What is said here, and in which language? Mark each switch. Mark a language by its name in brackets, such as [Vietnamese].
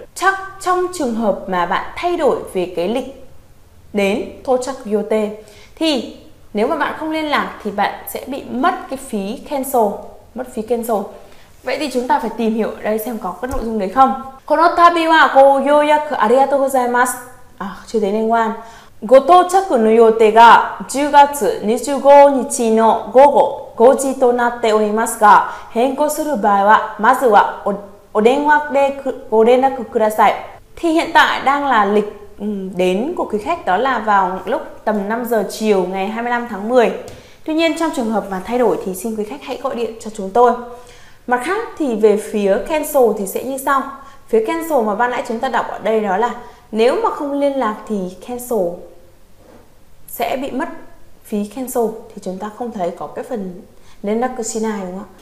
[Vietnamese] Chắc trong trường hợp mà bạn thay đổi về cái lịch đến tochaku yote thì nếu mà bạn không liên lạc thì bạn sẽ bị mất cái phí cancel, mất phí cancel. Vậy thì chúng ta phải tìm hiểu ở đây xem có cái nội dung đấy không. [Japanese] Kono tabi wa go yoyaku arigato gozaimasu. [Vietnamese] À, chưa đến liên quan. [Japanese] Go tochaku no yote ga 10 月 25日 no gogo 5時 となっ ております が 変更 する 場合 は まず は お 電話 で ご 連絡 ください. [Vietnamese] Thì hiện tại đang là lịch đến của quý khách, đó là vào lúc tầm 5 giờ chiều ngày 25 tháng 10. Tuy nhiên trong trường hợp mà thay đổi thì xin quý khách hãy gọi điện cho chúng tôi. Mặt khác thì về phía cancel thì sẽ như sau. Phía cancel mà ban nãy chúng ta đọc ở đây đó là nếu mà không liên lạc thì cancel sẽ bị mất phí cancel, thì chúng ta không thấy có cái phần renraku shinai, đúng không?